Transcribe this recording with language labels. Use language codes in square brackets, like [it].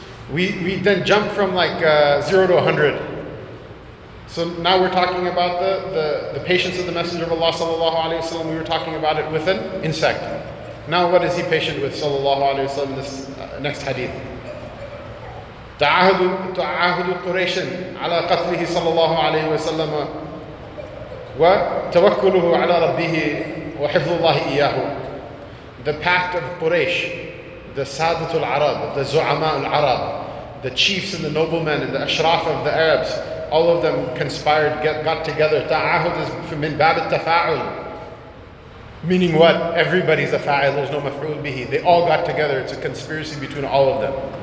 [en] We then jump from like 0 to 100. So now we're talking about the patience of the Messenger of Allah [ar] sallallahu alayhi wa sallam. [en] We were talking about it with an insect. Now what is he patient with [ar] sallallahu alayhi wa sallam [en] in this next hadith? [ar] تعاهد القريش على قتله صلى الله عليه وسلم وتوكله على ربه وحفظ الله إياه. [en] The pact of Quraysh, the [ar] Sadat al-Arab, [en] the [ar] Zu'ama al-Arab, [en] the chiefs and the noblemen and the Ashraf of the Arabs, all of them conspired, got together. تعاهد is from [ar] min bab al-tafa'ul. [en] Meaning what? Everybody's a fa'il, there's no maf'ul bihi. They all got together, it's a conspiracy between all of them.